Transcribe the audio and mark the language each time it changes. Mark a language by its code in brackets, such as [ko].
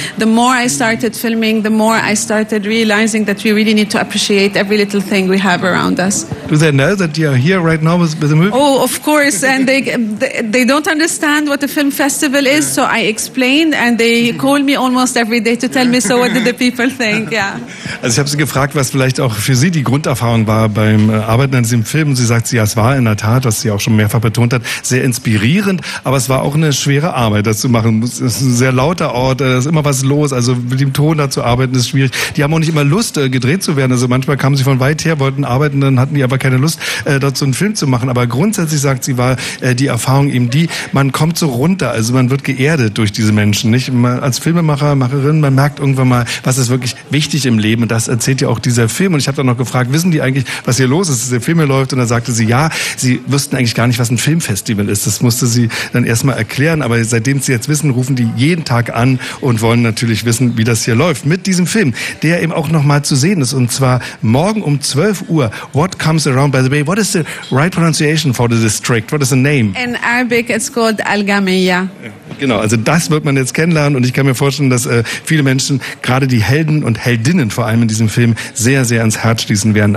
[en] The more I started filming, the more I started realizing that we really need to appreciate every little thing we have around us. Do they know that you are here right now with the movie? Oh, of course. And they don't understand what a film festival is, so I explained, and they call me almost every day to tell me, so what did the people think? Yeah. [de] Also ich habe Sie gefragt, was vielleicht auch für Sie die Grunderfahrung war beim Arbeiten an diesem Film. Sie sagt, ja, es war in der Tat, was sie auch schon mehrfach betont hat, sehr inspirierend, aber es war auch eine schwere Arbeit, das zu machen. Es ist ein sehr lauter Ort, da ist immer was los, also mit dem Ton da zu arbeiten ist schwierig. Die haben auch nicht immer Lust, gedreht zu werden. Also manchmal kamen sie von weit her, wollten arbeiten, dann hatten die aber aber keine Lust, dort so einen Film zu machen. Aber grundsätzlich, sagt sie, war die Erfahrung eben die, man kommt so runter, also man wird geerdet durch diese Menschen, nicht? Man, als Filmemacher, Macherin, man merkt irgendwann mal, was ist wirklich wichtig im Leben. Und das erzählt ja auch dieser Film. Und ich habe dann noch gefragt, wissen die eigentlich, was hier los ist, dass der Film hier läuft? Und da sagte sie, ja, sie wüssten eigentlich gar nicht, was ein Filmfestival ist. Das musste sie dann erstmal erklären. Aber seitdem sie jetzt wissen, rufen die jeden Tag an und wollen natürlich wissen, wie das hier läuft. Mit diesem Film, der eben auch nochmal zu sehen ist. Und zwar morgen um 12 Uhr. [en] What comes around, by the way, what is the right pronunciation for the district? What is the name? In Arabic it's called Al-Gamiya. [de] Genau, also das wird man jetzt kennenlernen. Und ich kann mir vorstellen, dass viele Menschen, gerade die Helden und Heldinnen vor allem in diesem Film, sehr, sehr ans Herz schließen werden.